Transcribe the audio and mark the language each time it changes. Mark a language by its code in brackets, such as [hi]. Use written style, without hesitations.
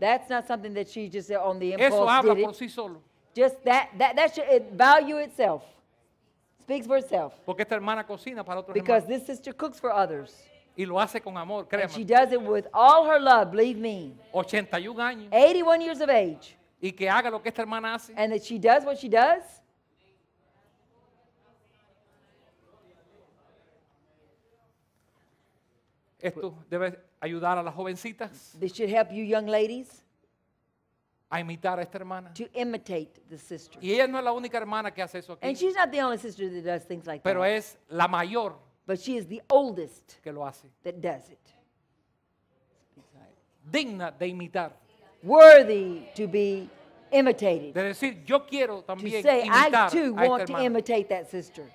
[en] That's not something that she just said on the impulse. [es] Eso habla [en] did [es] por [en] it. [es] Sí solo. [en] Just that should it value itself. Speaks for itself. [es] Porque esta hermana cocina para otros. [en] Because [es] hermanos. [en] This sister cooks for others. [es] Y lo hace con amor, créeme. [en] And she does it with all her love, believe me. [es] 81 años. [en] 81 years of age. [es] Y que haga lo que esta hermana hace. [en] And that she does what she does. [es] Esto debe ayudar a las jovencitas. [en] This should help you young ladies. [es] A imitar a esta hermana. [en] To imitate the sister. [es] Y ella no es la única hermana que hace eso aquí. [en] And she's not the only sister that does things like [es] pero [en] that. [es] Pero es la mayor. [en] But she is the oldest. [es] Que lo hace. [en] That does it. [es] Digna de imitar. [en] Worthy to be imitated. [es] De decir, yo quiero también imitar a esta hermana. [en] To say, I too want to imitate that sister.